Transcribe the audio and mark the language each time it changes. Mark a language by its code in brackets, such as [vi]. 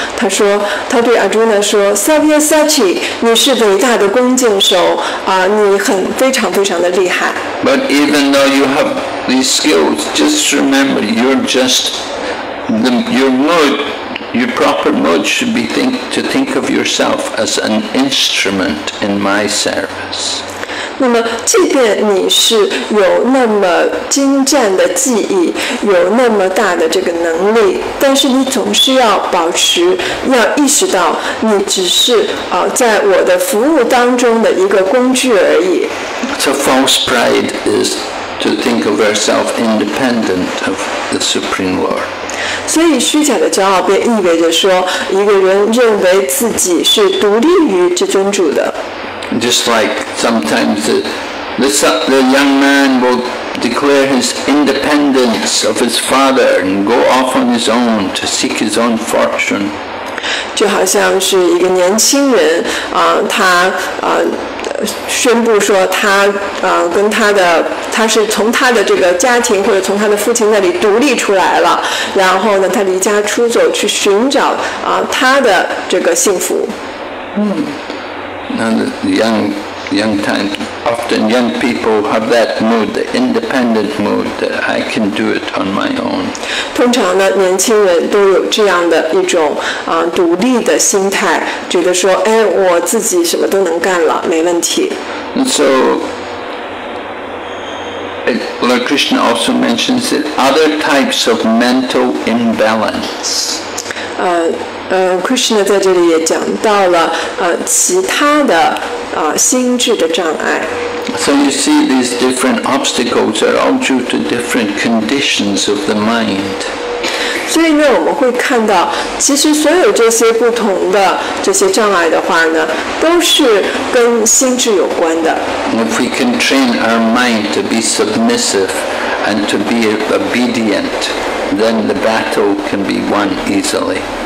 [zh] 他说，他对 Arjuna 说， Savyasachi， 你是伟大的弓箭手你很非常非常的厉害。 [en] But even though you have these skills, just remember your mood, your proper mood should be to think of yourself as an instrument in my service. [zh] 那么即便你是有那么精湛的技艺，有那么大的这个能力，但是你总是要保持，要意识到你只是在我的服务当中的一个工具而已。 [en] So false pride is to think of ourselves independent of the Supreme Lord. [zh] 所以虚假的骄傲便意味着说一个人认为自己是独立于至尊主的。 [en] Just like sometimes the young man will declare his independence of his father and go off on his own to seek his own fortune. [zh] 就好像是一个年轻人他宣布说他跟他的他是从他的这个家庭或者从他的父亲那里独立出来了，然后呢他离家出走去寻找他的这个幸福。 [en] Now the young, Often young people have that mood, the independent mood, that I can do it on my own. [zh] 通常呢，年轻人都有这样的一种啊独立的心态，觉得说，哎，我自己什么都能干了，没问题。 [en] And so, Lord Krishna also mentions that other types of mental imbalance. [zh] Krishna 在这里也讲到了其他的心智的障碍。 [en] So you see, these different obstacles are all due to different conditions of the mind. [zh] 所以呢，我们会看到，其实所有这些不同的这些障碍的话呢，都是跟心智有关的。 [en] If we can train our mind to be submissive and to be obedient, then the battle can be won easily.